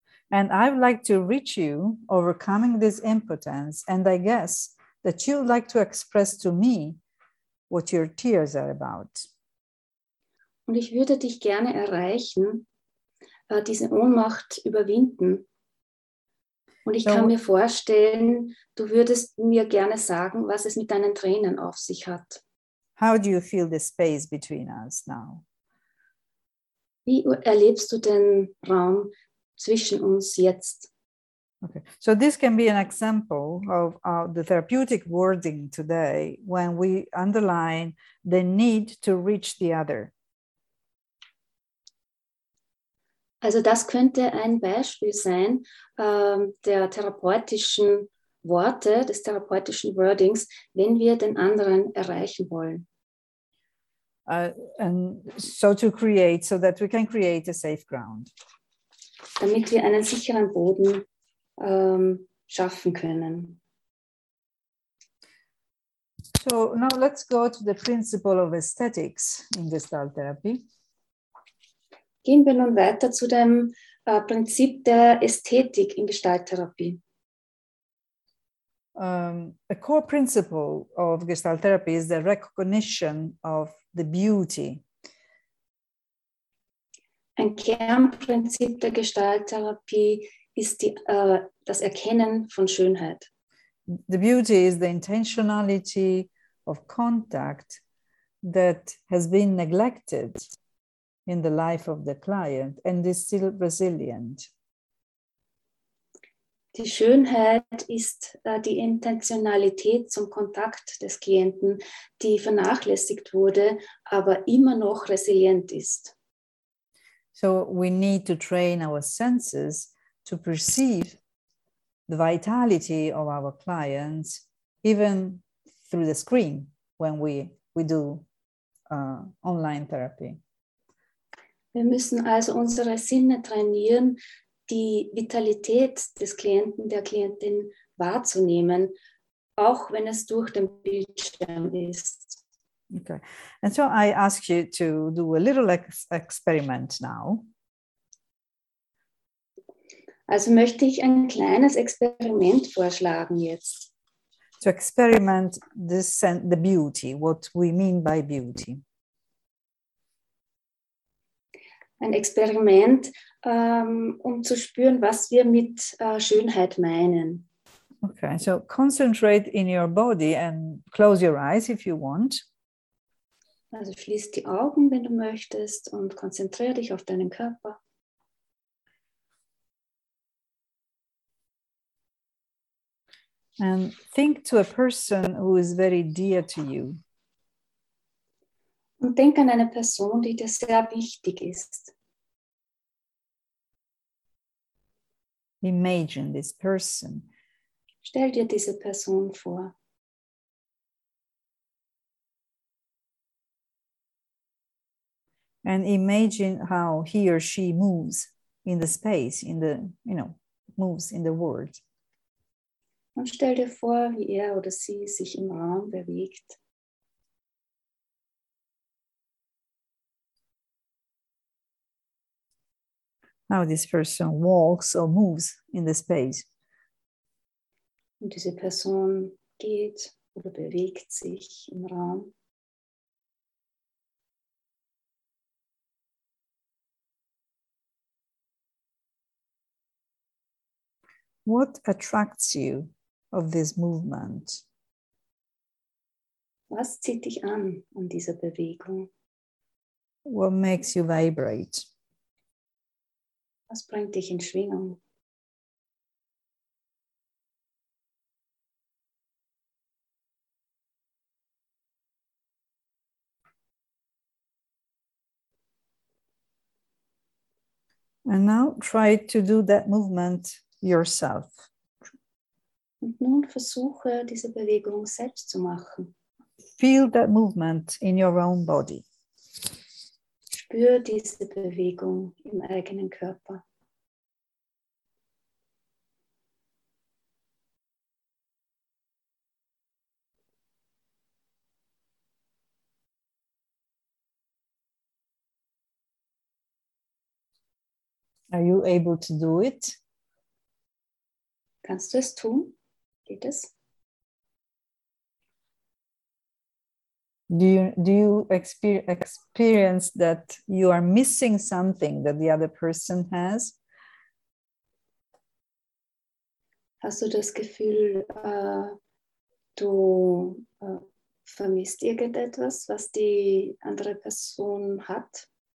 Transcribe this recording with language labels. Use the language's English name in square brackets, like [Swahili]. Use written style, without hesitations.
[English] And I would like to reach you overcoming this impotence and I guess that you would like to express to me what your tears are about. [German] Und ich würde dich gerne erreichen, diese Ohnmacht überwinden. Und ich kann mir vorstellen, du würdest mir gerne sagen, was es mit deinen Tränen auf sich hat. [English] How do you feel the space between us now? [German] Wie erlebst du den Raum zwischen uns jetzt? [English] Okay, so this can be an example of the therapeutic wording today when we underline the need to reach the other. [German] Also das könnte ein Beispiel sein der therapeutischen Worte, des therapeutischen Wordings, wenn wir den anderen erreichen wollen. [English] And so to create, so that we can create a safe ground. [German] Damit wir einen sicheren Boden schaffen können. [English] So now let's go to the principle of aesthetics in Gestalt Therapy. [German] Gehen wir nun weiter zu dem Prinzip der Ästhetik in Gestalttherapie. [English] A core principle of Gestalt Therapy is the recognition of the beauty. [German] Ein Kernprinzip der Gestalttherapie ist die, das Erkennen von Schönheit. [English] The beauty is the intentionality of contact that has been neglected in the life of the client and is still resilient. [German] Die Schönheit ist die Intentionalität zum Kontakt des Klienten, die vernachlässigt wurde, aber immer noch resilient ist. [English] So we need to train our senses to perceive the vitality of our clients, even through the screen, when we do online therapy. [German] Wir müssen also unsere Sinne trainieren, die Vitalität des Klienten, der Klientin wahrzunehmen, auch wenn es durch den Bildschirm ist. [English] Okay. And so I ask you to do a little experiment now. [German] Also möchte ich ein kleines Experiment vorschlagen jetzt. [English] To experiment this, the beauty, what we mean by beauty. [German] Ein Experiment, um zu spüren, was wir mit Schönheit meinen. [English] Okay, so concentrate in your body and close your eyes if you want. [German] Also schließ die Augen, wenn du möchtest, und konzentriere dich auf deinen Körper. [English] And think to a person who is very dear to you. [German] Und denk an eine Person, die dir sehr wichtig ist. [English] Imagine this person. [German] Stell dir diese Person vor. [English] And imagine how he or she moves in the space, in the, you know, moves in the world. [German] Und stell dir vor, wie er oder sie sich im Raum bewegt. [English] How this person walks or moves in the space. [German] Und diese Person geht oder bewegt sich im Raum. [English] What attracts you of this movement? [German] Was zieht dich an in dieser Bewegung? [English] What makes you vibrate? [German] Was bringt dich in Schwingung? [English] And now try to do that movement yourself. [German] Und nun versuche, diese Bewegung selbst zu machen. [English] Feel that movement in your own body. [German] Spür diese Bewegung im eigenen Körper. [English] Are you able to do it? [German] Kannst du es tun? Geht es? [English] Do you experience that you are missing something that the other person has? [German] Hast du das Gefühl, du vermisst irgendetwas, was die andere Person hat?